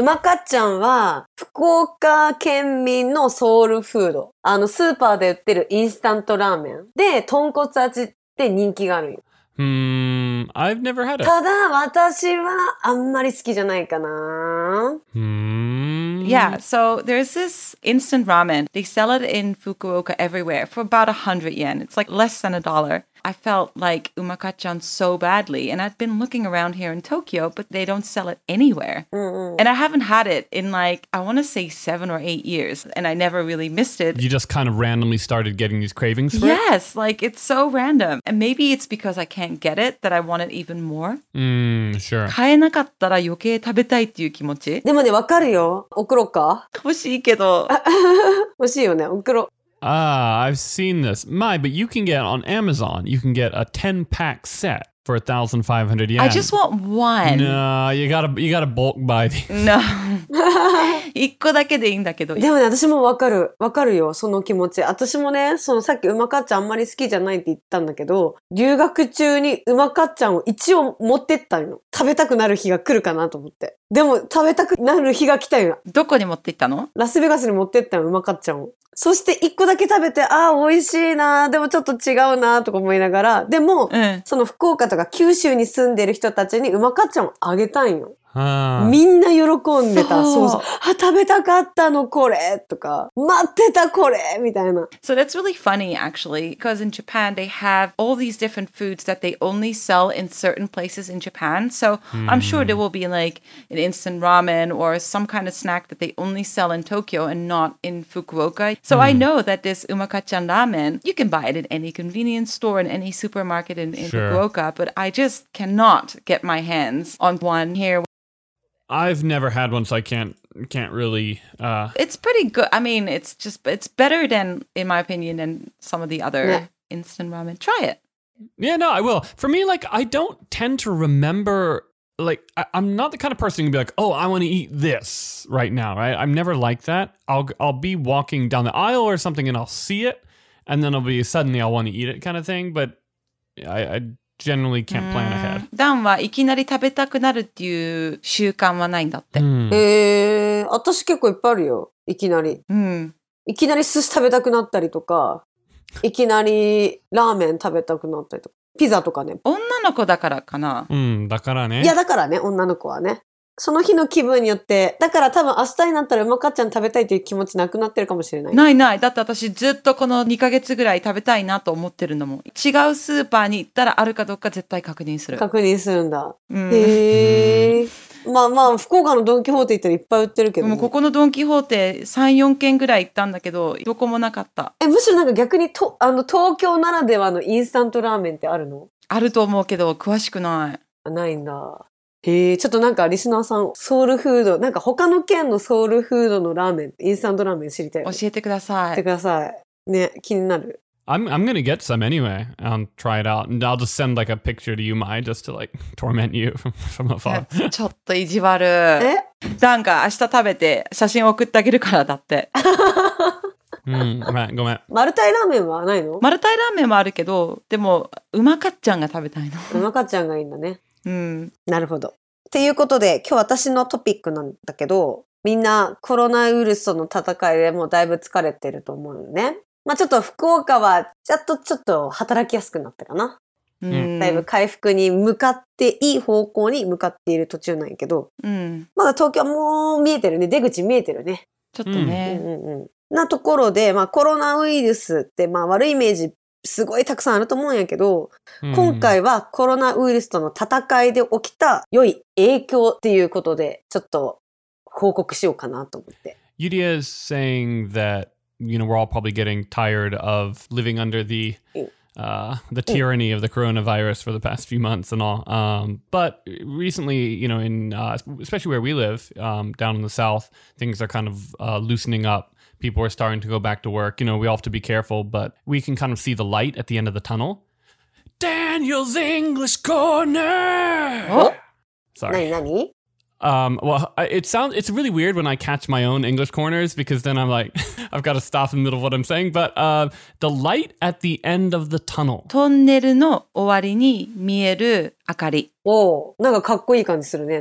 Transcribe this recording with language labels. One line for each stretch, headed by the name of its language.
Japanese: うまかっちゃんは福岡県民のソウルフード、あのスーパーで売ってるインスタントラーメンで豚骨味って人気があるよ。
English: I've never had it.
Japanese: ただ私はあんまり好きじゃないかな。
English: Yeah, so there's this instant ramen. They sell it in Fukuoka everywhere for about 100 yen. It's like less than a dollar. I felt like umakachan so badly, and I've been looking around here in Tokyo, but they don't sell it anywhere. And I haven't had it in like, I want to say 7 or 8 years, and I never really missed it. You just kind of randomly started getting these cravings for yes, it? Yes, like it's so random. And maybe it's because I can't get it that I want it even more. Sure.
Japanese: 買えなかったら余計食べたいっていう気持ち。でもね、わかるよ。送ろうか？欲しいけど。欲しいよね、送ろう。 I've seen this. My, but you can get on Amazon, you can get a 10-pack set for 1,500 yen. I just want one. No, you gotta bulk buy these. No. 一個だけでいいんだけど。でもね、私もわかるよ、その気持ち。私もね、そのさっきうまかっちゃんあんまり好きじゃないって言ったんだけど、留学中にうまかっちゃんを一応持ってったの。食べたくなる日が来るかなと思って。でも、食べたくなる日が来たよ。どこに持って行ったの？ラスベガスに持ってったの、うまかっちゃんを。そして一個だけ食べて、ああ、美味しいな、でもちょっと違うな、とか思いながら、でも、その福岡とか九州に住んでる人たちにうまかっちゃんをあげたんよ。みんな喜んでた。そうそう。あ、食べたかったのこれとか、待ってたこれみたいな。
English: So that's really funny, actually, because in Japan, they have all these different foods that they only sell in certain places in Japan. So I'm sure there will be like an instant ramen or some kind of snack that they only sell in Tokyo and not in Fukuoka. So I know that this umakachan ramen, you can buy it in any convenience store, in any supermarket in Fukuoka, but I just cannot get my hands on one here. I've never had one, so I can't really... It's pretty good. I mean, it's better than, in my opinion, than some of the other instant ramen. Try it. Yeah, no, I will. For me, like, I don't tend to remember, like, I'm not the kind of person who can be like, oh, I want to eat this right now, right? I'm never like that. I'll be walking down the aisle or something and I'll see it, and then it'll be suddenly I'll want to eat it kind of thing, but I generally can't plan ahead.
Japanese: ダンはいきなり食べたくなるっていう習慣はないんだって。へえ、私結構いっぱいあるよ。いきなり。いきなり寿司食べたくなったりとか、いきなりラーメン食べたくなったりとか、ピザとかね。女の子だからかな。だからね。いやだからね、女の子はね。その日の気分によって、だから多分明日になったらうまかちゃん食べたいという気持ちなくなってるかもしれない。ないない。だって私ずっとこの2ヶ月ぐらい食べたいなと思ってるのも。違うスーパーに行ったらあるかどうか絶対確認する。確認するんだ。へー。まあまあ、福岡のドンキホーテ行ったらいっぱい売ってるけど、ね。もうここのドンキホーテ3、4軒ぐらい行ったんだけど、どこもなかった。え、むしろなんか逆にと、あの東京ならではのインスタントラーメンってあるの？あると思うけど、詳しくない。ないんだ。へえ、ちょっとなんかリスナーさん、ソウルフード、なんか他の県のソウルフードのラーメン、インスタントラーメン知りたい。教えてください。教えてください。ね、気になる。
English: I'm gonna get some anyway and try it out. And I'll just send like a picture to you, Mai, just to like torment you from afar.
Japanese: ちょっと意地悪。え？ダンが明日食べて写真送ってあげるからだって。ごめん、ごめん。マルタイラーメンはないの？マルタイラーメンもあるけど、でもうまかっちゃんが食べたいの。うまかっちゃんがいいんだね。うん。なるほど。っていうことで、今日私のトピックなんだけど、みんなコロナウイルスとの戦いでもうだいぶ疲れてると思うのね。まあちょっと福岡はちょっと働きやすくなったかな。だいぶ回復に向かっていい方向に向かっている途中なんやけど。まだ東京もう見えてるね。出口見えてるね。ちょっとね。なところで、まあコロナウイルスってまあ悪いイメージすごいたくさんあると思うんやけど、今回はコロナウイルスとの戦いで起きた良い影響っていうことでちょっと報告しようかなと思って。
English: Yudia is saying that you know, we're all probably getting tired of living under the tyranny of the coronavirus for the past few months and all. But recently, you know, in especially where we live, down in the south, things are kind of loosening up. People are starting to go back to work. You know, we all have to be careful, but we can kind of see the light at the end of the tunnel. Daniel's English Corner! Sorry.
Japanese: 何?
English: It's really weird when I catch my own English corners because then I'm like, I've got to stop in the middle of what I'm saying. But the light at the end of the tunnel.
Japanese: トンネルの終わりに見える明かり。おお、なんかかっこいい感じするね。